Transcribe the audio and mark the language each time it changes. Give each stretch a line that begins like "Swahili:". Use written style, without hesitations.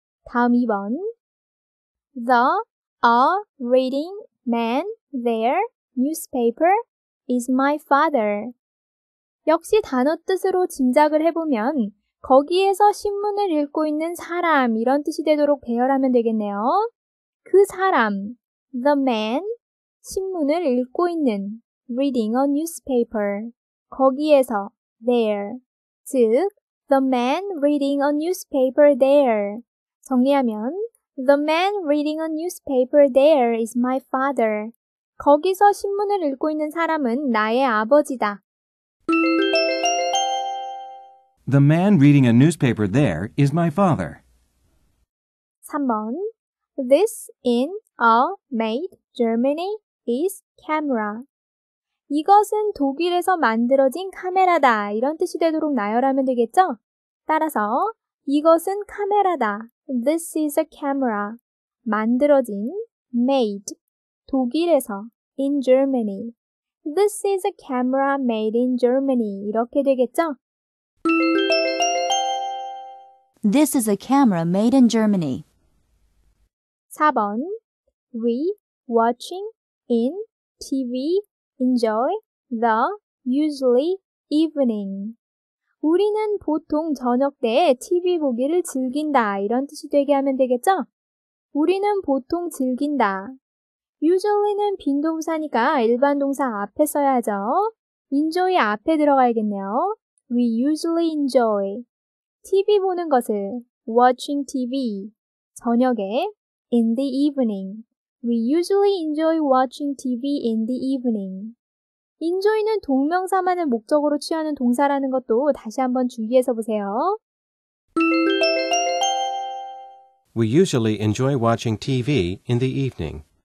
English: 다음 2번 The, a reading man there, newspaper, is my father.
Korean: 역시 단어 뜻으로 짐작을 해보면 거기에서 신문을 읽고 있는 사람 이런 뜻이 되도록 배열하면 되겠네요. 그 사람,
English: the man,
Korean: 신문을 읽고 있는,
English: reading a newspaper,
Korean: 거기에서,
English: there, 즉, The man reading a newspaper there.
Korean: 정리하면
English: The man reading a newspaper there is my father.
Korean: 거기서 신문을 읽고 있는 사람은 나의 아버지다.
English: The man reading a newspaper there is my father. 3번 This in a made Germany is camera.
Korean: 이것은 독일에서 만들어진 카메라다. 이런 뜻이 되도록 나열하면 되겠죠? 따라서 이것은 카메라다.
English: This is a camera.
Korean: 만들어진,
English: made,
Korean: 독일에서,
English: in Germany. This is a camera made in Germany. 이렇게 되겠죠? This is a camera made in Germany.
Korean: 4번
English: we, watching, in, TV, enjoy, the, usually, evening.
Korean: 우리는 보통 저녁 때 TV 보기를 즐긴다 이런 뜻이 되게 하면 되겠죠? 우리는 보통 즐긴다. Usually는 빈동사니까 일반 동사 앞에 써야죠.
English: Enjoy
Korean: 앞에 들어가야겠네요.
English: We usually enjoy. TV
Korean: 보는 것을
English: watching TV.
Korean: 저녁에
English: in the evening. We usually enjoy watching TV in the evening.
Korean: Enjoy는 동명사만을 목적으로 취하는 동사라는 것도 다시 한번 주의해서 보세요.
English: We usually enjoy watching TV in the evening.